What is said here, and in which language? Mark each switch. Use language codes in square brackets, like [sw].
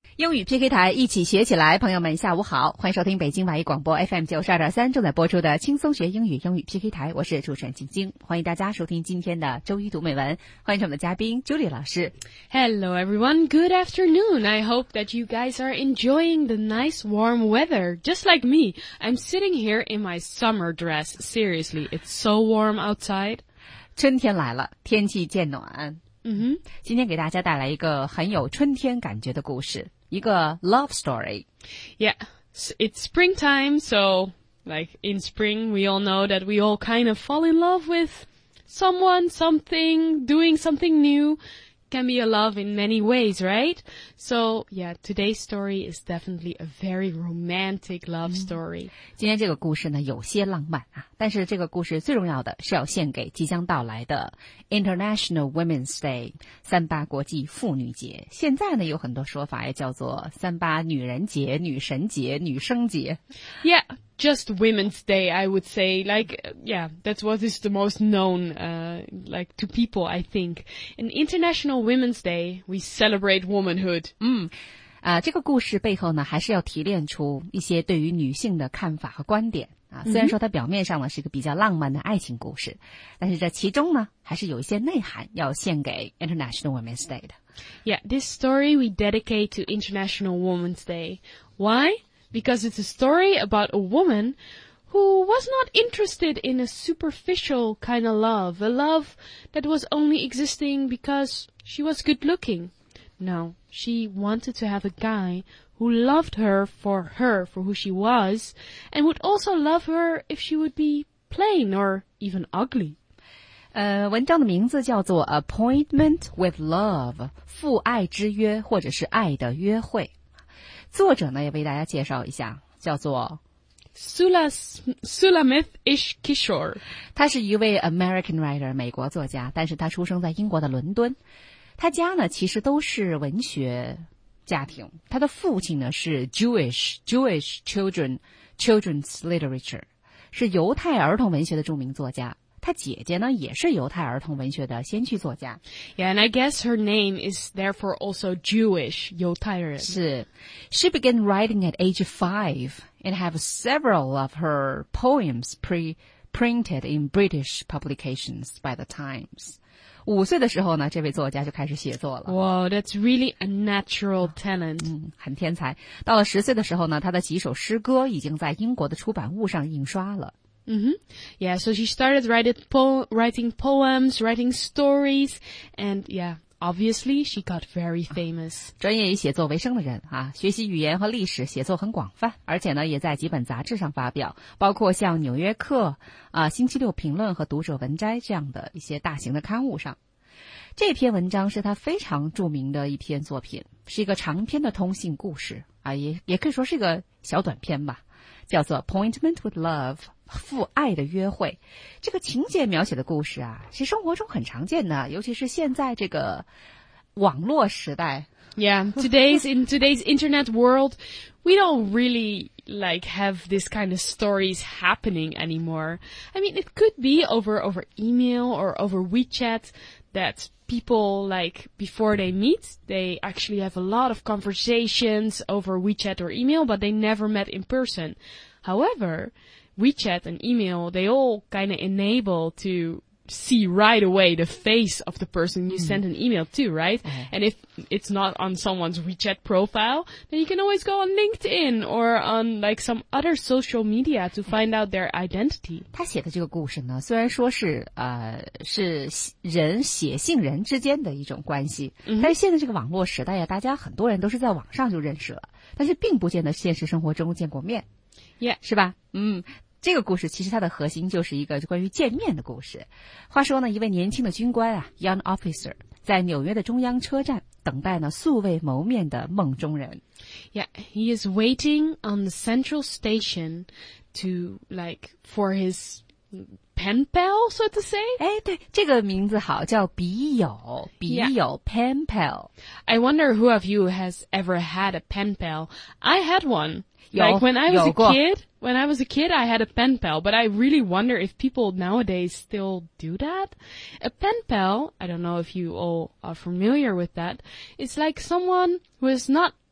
[zh] 英语 PK 台一起学起来，朋友们下午好，欢迎收听北京晚一广播 FM92.3 正在播出的轻松学英语，英语 PK 台，我是主持人晶晶，欢迎大家收听今天的周一读美文，欢迎我们的嘉宾 Julie 老师。 [en] Hello everyone, good afternoon. I hope that you guys are enjoying the nice warm weather, just like me. I'm sitting here in my summer dress. Seriously, it's so warm outside. [zh] 春天来了，天气渐暖。 Mm-hmm. 今天给大家带来一个很有春天感觉的故事，一个 [en] love story. Yeah, it's springtime, so like in spring, we all know that we all kind of fall in love with someone, something, doing something new. Can be a love in many ways, right? So yeah, today's story is definitely a very romantic love story. [zh] 今天这个故事呢有些浪漫啊，但是这个故事最重要的是要献给即将到来的 International Women's Day, 三八国际妇女节。现在呢有很多说法也叫做三八女人节、女神节、女生节。 [en] Yeah, just Women's Day, I would say. Like, yeah, that's what is the most known, like to people, I think. In International Women's Day, we celebrate womanhood. [zh] 这个故事背后呢还是要提炼出一些对于女性的看法和观点。虽然说它表面上呢是一个比较浪漫的爱情故事，但是这其中呢还是有一些内涵要献给 International Women's Day 的。 [en] Yeah, this story we dedicate to International Women's Day. Why? Because it's a story about a woman who was not interested in a superficial kind of love, a love that was only existing because she was good looking. No, she wanted to have a guy who loved her, for who she was, and would also love her if she would be plain or even ugly. [zh] 文章的名字叫做 Appointment with Love, 父爱之约或者是爱的约会。作者呢也为大家介绍一下，叫做 [en] Sulamith Ish Kishore. [zh] 他是一位 [en] American writer, [zh] 美国作家，但是他出生在英国的伦敦。他家呢其实都是文学家庭，他的父亲呢是 [en] Jewish children's literature, [zh] 是犹太儿童文学的著名作家。她姐姐呢也是犹太儿童文学的先驱作家。 [en] Yeah, and I guess her name is therefore also Jewish, 犹太人。 [zh] 是。 [en] She began writing at age 5 and have several of her poems printed in British publications by the Times. [zh] 五岁的时候呢这位作家就开始写作了。 [en] Wow, that's really a natural talent. [zh] 很天才。到了十岁的时候呢她的几首诗歌已经在英国的出版物上印刷了。 Mm-hmm. [en] Yeah, so she started writing poems, writing stories, and yeah, obviously she got very famous. [zh] 专业以写作为生的人啊，学习语言和历史，写作很广泛，而且呢也在几本杂志上发表，包括像《纽约客》啊、《星期六评论》和《读者文摘》这样的一些大型的刊物上。这篇文章是他非常著名的一篇作品，是一个长篇的通信故事啊，也可以说是一个小短篇吧，叫做《Appointment with Love》。父爱的约会，这个情节描写的故事啊，其实生活中很常见的，尤其是现在这个网络时代。 [en] Yeah, in today's internet world, we don't really like have this kind of stories happening anymore. I mean, it could be over email or over WeChat that people like before they meet, they actually have a lot of conversations over WeChat or email, but they never met in person. However,WeChat and email, they all kind of enable to see right away the face of the person you send an email to, right? Uh-huh. And if it's not on someone's WeChat profile, then you can always go on LinkedIn or on like some other social media to find out their identity. [zh] 他写的这个故事呢，虽然说是是人写信人之间的一种关系，但是现在这个网络时代呀，大家很多人都是在网上就认识了，但是并不见得现实生活中见过面。 [en] Yeah. [zh] 是吧？这个故事其实它的核心就是一个关于见面的故事。话说呢，一位年轻的军官啊 ， [en] young officer， [zh] 在纽约的中央车站等待呢素未谋面的梦中人。 [en] Yeah, he is waiting on the central station to like for his pen pal, so to say. [zh] 哎，对，这个名字好，叫笔友 pen pal. [en] I wonder who of you has ever had a pen pal. I had one. When I was a kid, I had a pen pal, but I really wonder if people nowadays still do that. A pen pal, I don't know if you all are familiar with that, is like someone who is not